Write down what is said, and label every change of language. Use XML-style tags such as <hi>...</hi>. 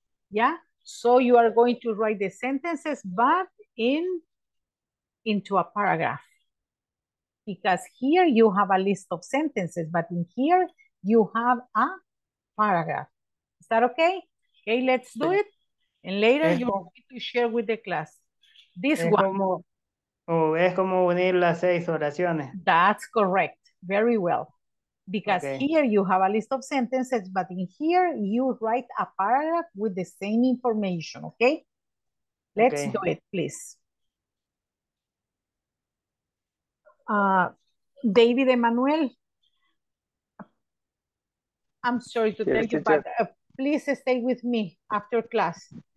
<en>Yeah, so you are going to write the sentences, but into a paragraph. Because here you have a list of sentences, but in here you have a paragraph. Is that okay? Okay, let's do it. And later you're going to share with the class. This one.</en> <es>Como, oh, es como unir las seis oraciones.</es> <en>That's correct. Very well. Because here you have a list of sentences, but in here you write a paragraph with the same information, okay? Let's do it, please. David Emanuel, I'm sorry to tell you, but please stay with me after class.</en>